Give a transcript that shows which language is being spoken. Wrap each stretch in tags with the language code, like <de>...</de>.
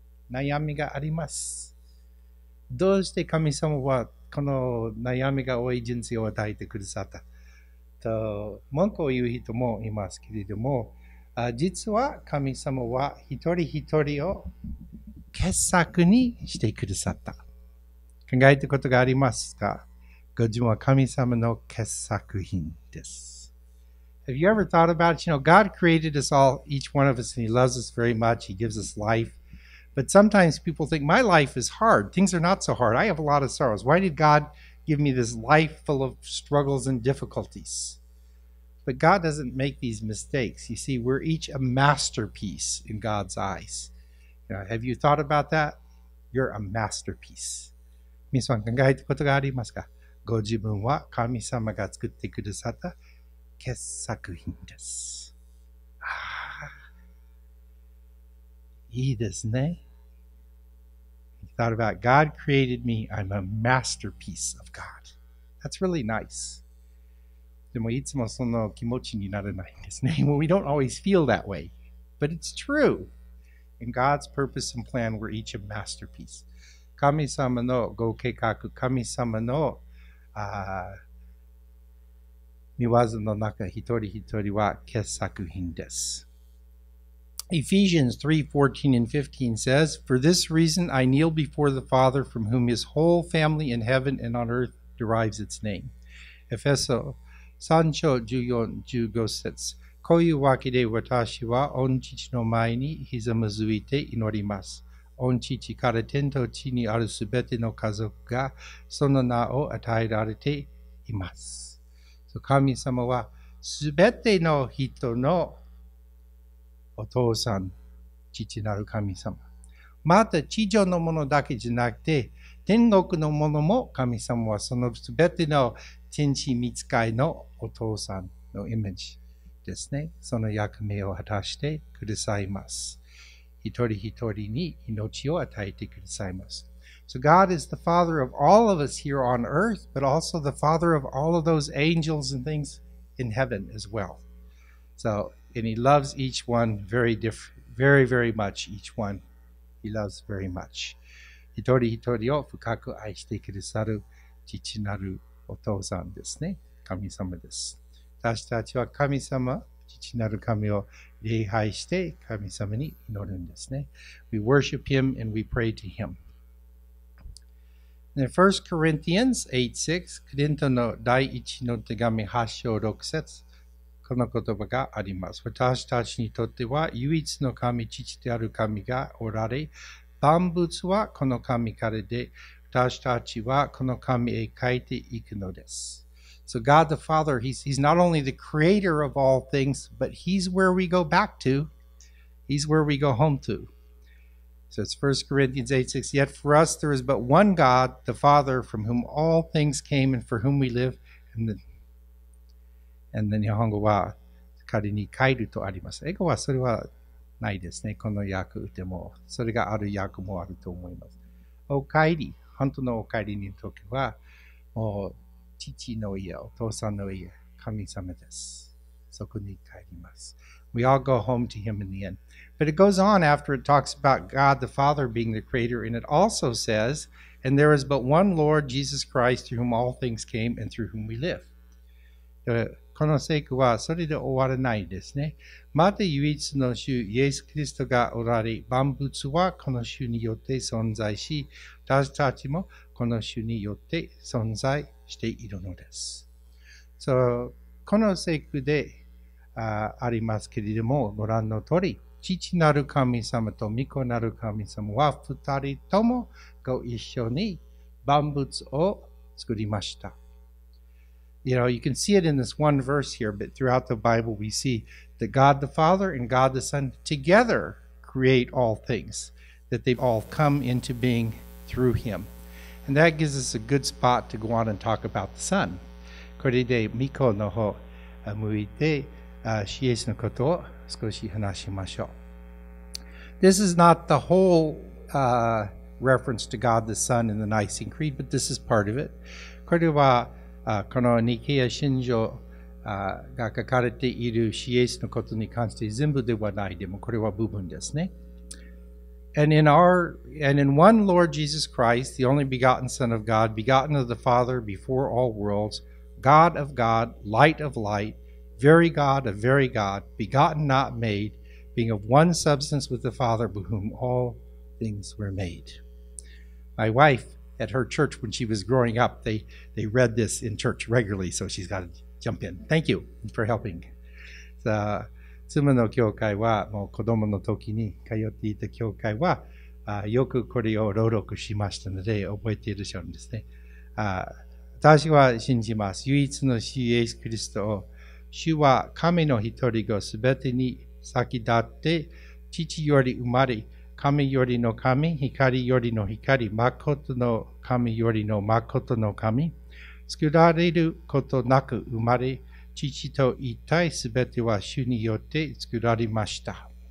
<ja>悩みがあります。どうして神様はこの悩みが多い人生を与えてくださった文句を言う人もいますけれども実は神様は一人一人を傑作にしてくださった考えたことがありますかご自分は神様の傑作品です。</ja> <en>Have you ever thought about it? You know, God created us all, each one of us, and He loves us very much. He gives us life. But sometimes people think, my life is hard. Things are not so hard. I have a lot of sorrows. Why did God give me this life full of struggles and difficulties? But God doesn't make these mistakes. You see, we're each a masterpiece in God's eyes. You know, have you thought about that? You're a masterpiece.</en> <ja>皆さん考えたことがありますか?ご自分は神様が作ってくださった傑作品です。いいですね。</ja> <en>You thought about God created me. I'm a masterpiece of God. That's really nice.</en> <ja>でもいつもその気持ちにならないんですね。</ja> <en>Well, we don't always feel that way. But it's true. In God's purpose and plan, we're each a masterpiece.</en> <ja>神様のご計画、神様の見業の中、一人一人は傑作品です。</ja> <en>Ephesians 3, 14 and 15 says, For this reason I kneel before the Father, from whom his whole family in heaven and on earth derives its name. Ephesians 3, 14, 15 says,</en> <ja>こういうわけで私は御父の前にひざまずいて祈ります。御父から天と地にあるすべての家族がその名を与えられています。 So、神様はすべての人のお父さん、父なる神様。また地上のものだけじゃなくて、天国のものも神様はそのすべての天使御使いのお父さんのイメージですね。その役目を果たしてくださいます。一人一人に命を与えてくださいます。</ja> <en>So God is the Father of all of us here on earth, but also the Father of all of those angels and things in heaven as well. So, and He loves each one very very, very much, each one. He loves very much.</en> <ja>一人一人を深く愛してくださる父なるお父さんですね。神様です。私たちは神様、父なる神を礼拝して神様に祈るんですね。</ja> <en>We worship Him and we pray to Him. Then 1 Corinthians 8:6,</en> <ja>コリントの第一の手紙8章6節、この言葉があります。私たちにとっては唯一の神、父である神がおられ、万物はこの神からで、私たちはこの神へ帰っていくのです。</ja> <en>So God the Father, he's not only the creator of all things, but he's where we go back to. He's where we go home to. So it's 1 Corinthians 8:6. Yet for us there is but one God, the Father, from whom all things came and for whom we live. And then</en> <ja>日本語は仮に帰るとあります。英語はそれはないですね。この訳でも。それがある訳もあると思います。お帰り。本当のお帰りの時は、もう、父の家、お父さんの家、神様です。そこに帰ります。</ja> <en>We all go home to him in the end. But it goes on after it talks about God the Father being the creator, and it also says, and there is but one Lord, Jesus Christ, through whom all things came and through whom we live.</en> <ja>この聖句はそれで終わらないですね。また唯一の主、イエス・キリストがおられ、万物はこの主によって存在し、私たちもこの主によって存在しているのです。 So, この聖句でありますけれども、ご覧の通り、父なる神様と御子なる神様は二人ともご一緒に万物を作りました。</ja> <en>You know, you can see it in this one verse here, but throughout the Bible we see that God the Father and God the Son together create all things, that they've all come into being through Him. And that gives us a good spot to go on and talk about the Son.</en> <ja>これで御子の方向いて、イエスのことを少し話しましょう。</ja> <en>This is not the whole reference to God the Son in the Nicene Creed, but this is part of it.</en> <ja>これは、このニケア信条、が書かれているイエスのことに関して全部ではないでも、これは部分ですね。</ja> <en>And in one Lord Jesus Christ, the only begotten Son of God, begotten of the Father before all worlds, God of God, light of light, very God of very God, begotten not made, being of one substance with the Father, by whom all things were made. My wife at her church when she was growing up. They read this in church regularly, so she's got to jump in. Thank you for helping.</en> <ja>さあ、妻の教会はもう子供の時に通っていた教会はよくこれを朗読しましたので覚えているしょんですね。私は信じます。唯一の主イエスキリストを、主は神の一人子すべてに先立って父より生まれ、神よりの神、光よりの光、まことの神よりのまことの神、作られることなく生まれ、父と一体すべては主によって作られました。</ja>